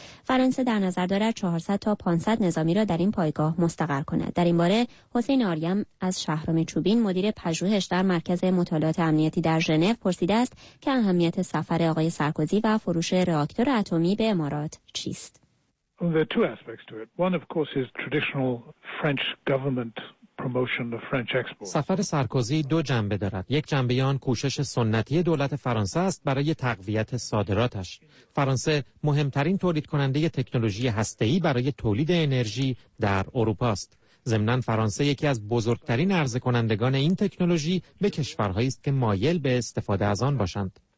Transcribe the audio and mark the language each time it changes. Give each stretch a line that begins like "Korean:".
Persian: فرانسه در نظر دارد 400 تا 500 نظامی را در این پایگاه مستقر کند. در این باره حسین آریم از شهرام چوبین، مدیر پژوهش در مرکز مطالعات امنیتی در ژنو، پرسیده است که اهمیت سفر آقای سارکوزی و فروش راکتور اتمی به امارات چیست؟
English: There are two aspects to it. One, of course, is traditional French government promotion of French exports.
Persian: سفر سارکوزی 2 جنبه دارد. یک جنبه آن کوشش سنتی دولت فرانسه است برای تقویت صادراتش. فرانسه مهمترین تولید کننده تکنولوژی هسته‌ای برای تولید انرژی در اروپا است. ضمناً فرانسه یکی از بزرگترین عرضه کنندگان این تکنولوژی به کشورهایی است که مایل به استفاده از آن باشند.